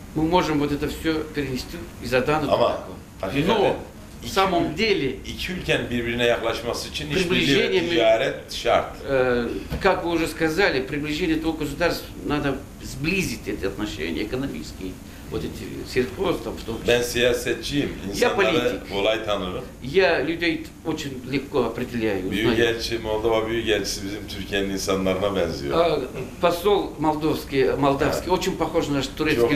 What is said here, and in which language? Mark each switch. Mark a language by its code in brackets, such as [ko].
[ru] Мы можем вот это все перенести из Адана. [tr] Ama, [ru] но в самом деле, [tr] iki ülkenin birbirine yaklaşması için işbirliği ve ticaret şart. [ru] Как вы уже сказали, приближение двух государств надо сблизить эти отношения экономические. Вот эти сельхоз там, в том числе. [tr] Ben siyasetçiyim. İnsanları kolay tanırım. [ru] Я людей очень легко определяю. [tr] Büyükelçi, Moldova büyükelçisi bizim Türkiye'nin insanlarına benziyor. [ru] Посол молдавский очень похож на турецкий